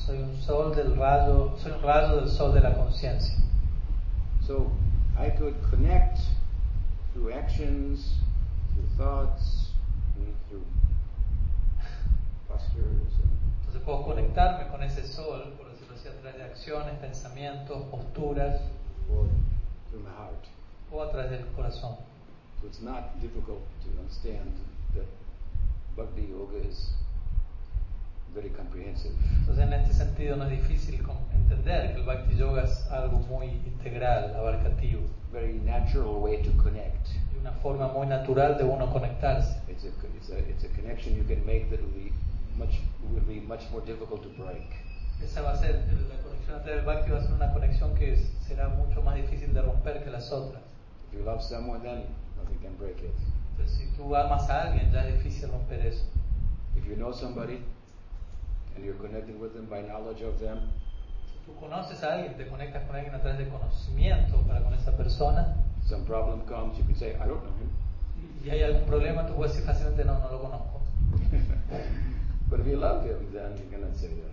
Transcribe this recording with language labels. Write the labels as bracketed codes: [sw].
[es] Soy un sol del rayo, soy un rayo del sol de la conciencia. [en] So I could connect through actions, through thoughts, through postures. [es] Entonces puedo conectarme con ese sol, por decirlo así, a través de acciones, pensamientos, posturas. [en] Or through my heart. [es] O a través del corazón. [en] So it's not difficult to understand that Bhakti Yoga is very comprehensive. [es] Entonces en este sentido no es difícil entender que el Bhakti Yoga es algo muy integral, abarcativo. [en] Very natural way to connect. [es] Y una forma muy natural de uno conectarse. [en] It's a connection you can make that will be much more difficult to break. [es] Esa va a ser la conexión entre el Bhakti, va a ser una conexión que será mucho más difícil de romper que las otras. [en] If you love someone, then nothing can break it. [es] Entonces, si tú amas a alguien, ya es difícil romper eso. [en] If you know somebody and you're connecting with them by knowledge of them, [es] tú conoces a alguien, te conectas con alguien a través de conocimiento para con esa persona. [en] Some problem comes, you can say, I don't know him. [es] Y hay algún problema, tú puedes decir fácilmente, no lo conozco. [en] But if you love him, then you cannot say that.